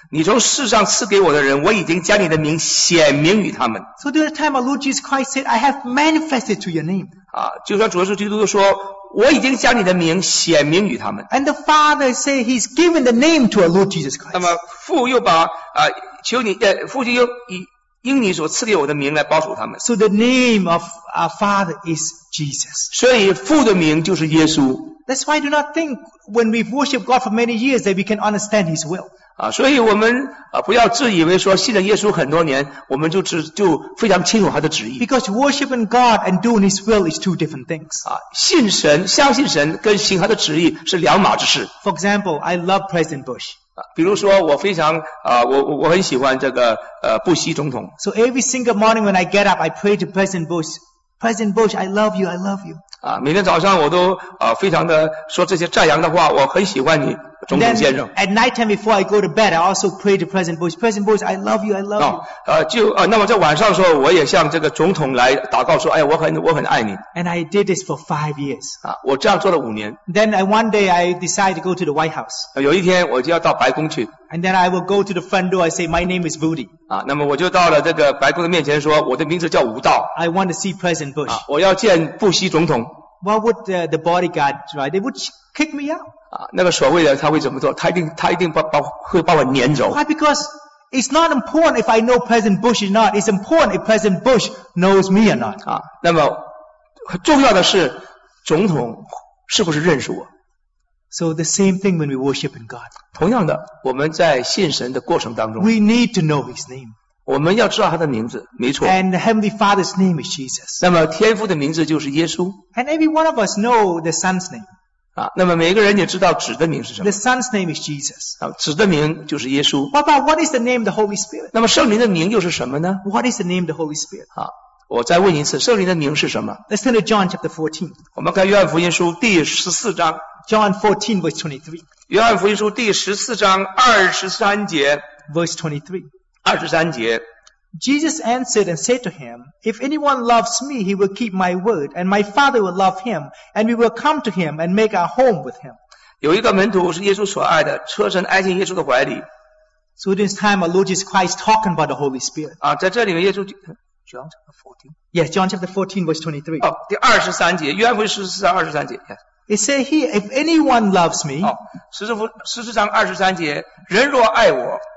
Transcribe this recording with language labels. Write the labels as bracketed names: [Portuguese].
[Chinese] 你从世上赐给我的人，我已经将你的名显明与他们。 [English] So during the time our Lord Jesus Christ said, I have manifested to your name. [Chinese] 啊，就像主耶稣基督说，我已经将你的名显明与他们。 [English] And the Father said He's given the name to our Lord Jesus Christ. [Chinese] 那么父又把啊、求你呃，父亲又因你所赐给我的名来保守他们。 [English] So the name of our Father is Jesus. [Chinese] 所以父的名就是耶稣。 [English] That's why I do not think when we worship God for many years that we can understand His will. [Chinese] 啊，所以我们啊不要自以为说信了耶稣很多年，我们就非常清楚他的旨意。 [English] Because worshiping God and doing His will is two different things. [Chinese] 啊，信神、相信神跟行他的旨意是两码子事。 [English] For example, I love President Bush. [Chinese] 啊，比如说我非常啊，我很喜欢这个布希总统。 [English] So every single morning when I get up, I pray to President Bush. President Bush, I love you, I love you. [Chinese] 啊，每天早上我都非常的说这些赞扬的话，我很喜欢你，总统先生。 [English] At night time before I go to bed, I also pray to President Bush. President Bush, I love you, I love you. [Chinese] 那么在晚上的时候，我也向这个总统来祷告说，哎，我很爱你。 [English] And I did this for 5 years. [Chinese] 啊，我这样做了五年。 [English] Then one day I decide to go to the White House. [Chinese] 有一天我就要到白宫去。 [English] And then I will go to the front door. I say, my name is Woody. [Chinese] 啊，那么我就到了这个白宫的面前说，我的名字叫吴道。 [English] I want to see President Bush. [Chinese] 啊，我要见布希总统。 [English] What would the bodyguard try? They would kick me out. [Chinese] 啊，那个所谓的他会怎么做？他一定会把我撵走。 [English] Why? Because it's not important if I know President Bush or not. It's important if President Bush knows me or not. [Chinese] 啊，那么重要的是总统是不是认识我？ [English] So the same thing when we worship in God. [Chinese] 同样的，我们在信神的过程当中 [English] ，We need to know His name. [Chinese] 我们要知道他的名字，没错。 [English] And the Heavenly Father's name is Jesus. [Chinese] 那么天父的名字就是耶稣。 [English] And every one of us know the Son's name. [Chinese] 啊，那么每个人也知道子的名是什么。 [English] The Son's name is Jesus. [Chinese] 啊，子的名就是耶稣。 [English] But what is the name of the Holy Spirit? [Chinese] 那么圣灵的名又是什么呢 [English] ？What is the name of the Holy Spirit? [Chinese] 啊，我再问一次，圣灵的名是什么 [English] ？Let's turn to John chapter 14. [Chinese] 我们看约翰福音书第十四章。 [English] John 14 verse 23. [Chinese] 约翰福音书第十四章二十三节。 [English] Verse 23. [Chinese] 二十三节。 [English] Jesus answered and said to him, If anyone loves me, he will keep my word, and my Father will love him, and we will come to him and make our home with him. [Chinese] 有一个门徒是耶稣所爱的，车身挨进耶稣的怀里。 [English] So this time, our Lord Jesus Christ talking about the Holy Spirit. [Chinese] 啊，在这里面耶稣。 [English] John chapter 14. Yes, John chapter 14 verse 23. [Chinese] 哦，第二十三节，约翰福音十四章二十三节。 [English] Yes. It says here, if anyone loves me, [Chinese] 十四章二十三节，人若爱我